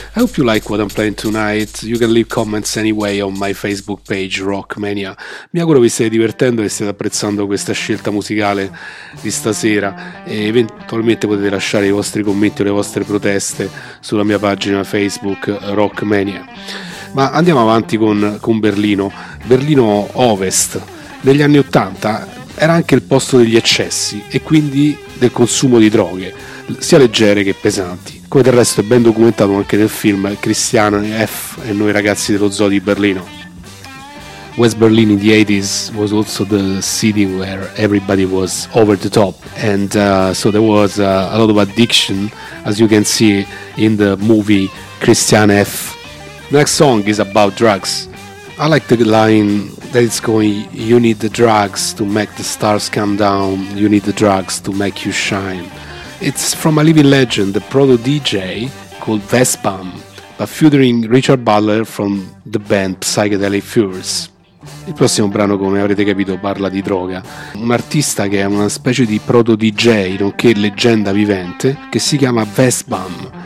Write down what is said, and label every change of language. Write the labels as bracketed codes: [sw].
[en] I hope you like what I'm playing tonight. You can leave comments anyway on my Facebook page Rockmania. [it] Mi auguro vi stia divertendo e stiate apprezzando questa scelta musicale di stasera, e eventualmente potete lasciare i vostri commenti o le vostre proteste sulla mia pagina Facebook Rockmania. Ma andiamo avanti con Berlino. Berlino Ovest negli anni 80 era anche il posto degli eccessi e quindi del consumo di droghe sia leggere che pesanti, come del resto è ben documentato anche nel film Christian F. e noi ragazzi dello zoo di Berlino. [en] West Berlin in the 80s was also the city where everybody was over the top, and so there was a lot of addiction, as you can see in the movie Christian F. The next song is about drugs. I like the line that it's going, you need the drugs to make the stars come down, you need the drugs to make you shine. It's from a living legend, the proto DJ called Vespam, but featuring Richard Butler from the band Psychedelic Furs. [it] Il prossimo brano, come avrete capito, parla di droga. Un artista che è una specie di proto DJ, nonché leggenda vivente, che si chiama Vespam.